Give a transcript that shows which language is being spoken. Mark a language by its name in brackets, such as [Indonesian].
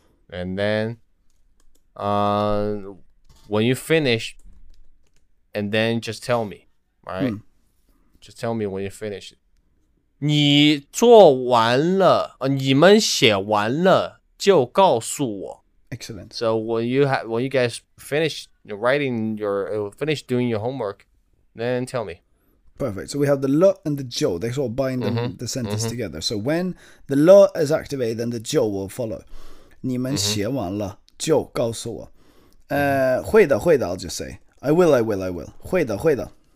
[English] And then, when you finish, and then just tell me, right? Just tell me when you finish. [Chinese] 你做完了，你们写完了就告诉我。 [English] Excellent. So when you guys finish writing your finish doing your homework, then tell me. Perfect. So we have the lo and the jo. They sort of bind the sentence together. So when the lo is activated, then the jo will follow. [Chinese] 你们写完了就告诉我。会的，会的, [English] I'll just say. I will. [Chinese] 会的，会的.